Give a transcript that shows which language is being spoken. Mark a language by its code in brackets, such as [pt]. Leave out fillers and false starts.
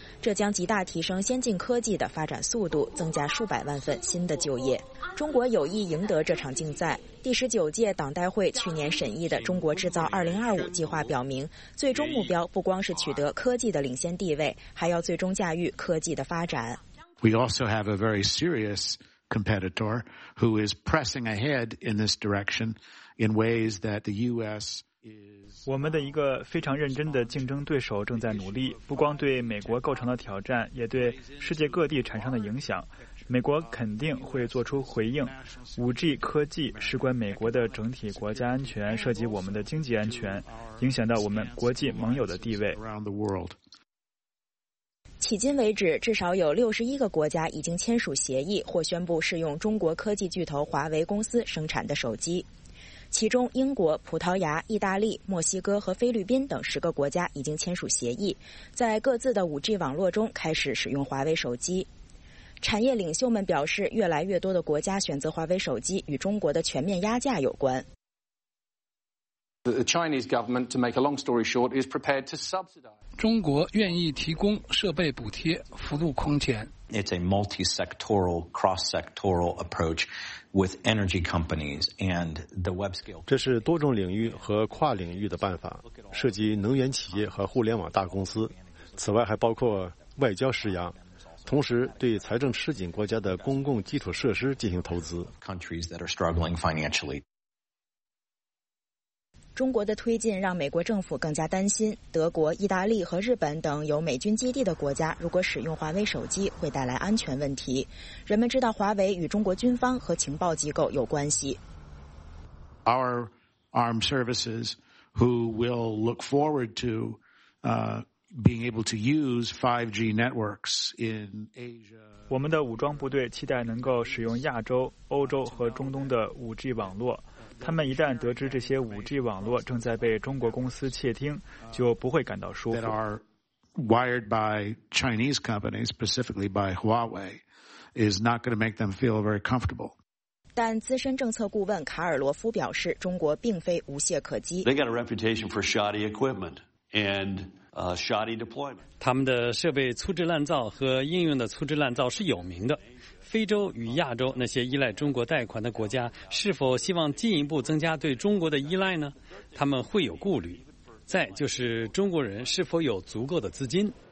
[zh] 这将极大提升先进科技的发展速度，增加数百万份新的就业。中国有意赢得这场竞赛。第十九届党代会去年审议的《中国制造2025》计划表明，最终目标不光是取得科技的领先地位，还要最终驾驭科技的发展。 [en] We also have a very serious competitor who is pressing ahead in this direction in ways that the U.S. [zh] 我们的一个非常认真的竞争对手正在努力，不光对美国构成了挑战，也对世界各地产生了影响。美国肯定会做出回应。5G 科技事关美国的整体国家安全，涉及我们的经济安全，影响到我们国际盟友的地位。迄今为止，至少有61个国家已经签署协议或宣布试用中国科技巨头华为公司生产的手机。其中英国、葡萄牙、意大利、墨西哥和菲律宾等10个国家已经签署协议，在各自的 5G 网络中开始使用华为手机。产业领袖们表示，越来越多的国家选择华为手机与中国的全面压价有关。 [en] The Chinese government, to make a long story short, is prepared to subsidize. [zh] 中国愿意提供设备补贴，幅度空前。 [en] It's a multi-sectoral, cross-sectoral approach with energy companies and the web scale. [zh] 这是多种领域和跨领域的办法，涉及能源企业和互联网大公司。此外，还包括外交施压，同时对财政吃紧国家的公共基础设施进行投资。 [en] Countries that are struggling financially. [zh] 中国的推进让美国政府更加担心，德国、意大利和日本等有美军基地的国家如果使用华为手机会带来安全问题。人们知道华为与中国军方和情报机构有关系。 [en] our armed services who will look forward to being able to use 5G networks in Asia. [zh] 我们的武装部队期待能够使用亚洲、欧洲和中东的 5G 网络。他们一旦得知这些 5G 网络正在被中国公司窃听，就不会感到舒服。 [en] That are wired by Chinese companies, specifically by Huawei, is not going to make them feel very comfortable. [zh] 但资深政策顾问卡尔罗夫表示，中国并非无懈可击。 [en] They got a reputation for shoddy equipment and shoddy deployment. [zh] 他们的设备粗制滥造和应用的粗制滥造是有名的。非洲与亚洲那些依赖中国贷款的国家是否希望进一步增加对中国的依赖呢？他们会有顾虑。再就是中国人是否有足够的资金。